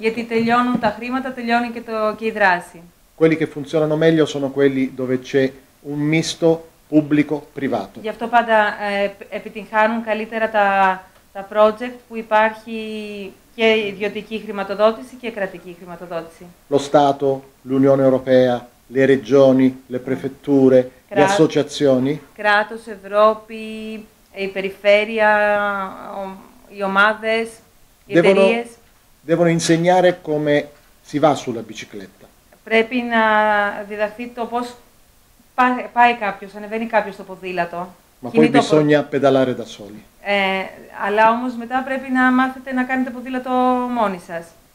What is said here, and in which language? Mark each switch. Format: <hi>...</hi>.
<el>Γιατί τελειώνουν τα χρήματα, τελειώνει και η δράση.</el> <it>Quelli che funzionano meglio sono quelli dove c'è un misto pubblico-privato.</it> <el>Γι' αυτό πάντα επιτυγχάνουν καλύτερα τα project που υπάρχει και ιδιωτική χρηματοδότηση και κρατική χρηματοδότηση.</el> <it>Lo Stato, l'Unione Europea, le regioni, le prefetture, le associazioni.</it> <el>Κράτος, Ευρώπη, η περιφέρεια, οι ομάδες, οι εταιρείες.</el> <it>Devono insegnare come si va sulla bicicletta.</it> <el>Πρέπει να διδαχθεί το πώς πάει κάποιος, ανεβαίνει κάποιος στο ποδήλατο.</el> <it>Ma poi bisogna pedalare da soli.</it> <el>Αλλά όμως μετά πρέπει να μάθετε να κάνετε ποδήλατο μόνοι σας.</el>